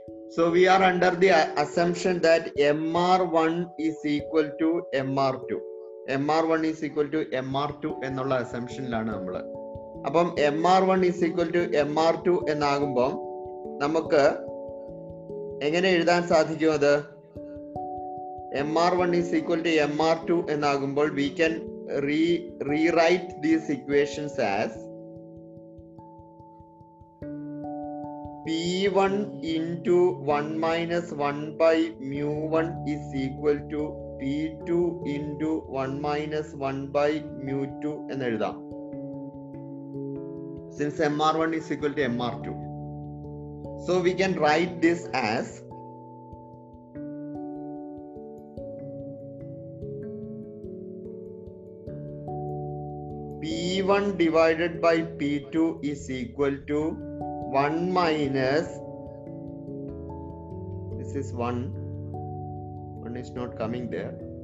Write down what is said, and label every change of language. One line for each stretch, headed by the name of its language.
English: So we are under the assumption that MR1 is equal to MR2. MR1 is equal to MR2
Malayalam: എന്നുള്ള അസംപ്ഷനിലാണ് നമ്മൾ. അപ്പം
English: M R one is equal to M R two
Malayalam: എന്നാകുമ്പം നമുക്ക് എങ്ങനെ എഴുതാൻ സാധിക്കും അത്?
English: M R one is equal to M R two
Malayalam: എന്നാകുമ്പോൾ
English: we can rewrite these equations as P one into one minus one by mu one is equal to P2 into 1 minus 1 by mu 2
Malayalam: എന്ന് എഴുതാം.
English: Since MR1 is equal to MR2. So we can write this as P1 divided by P2 is equal to 1 minus this is 1 1 is not coming there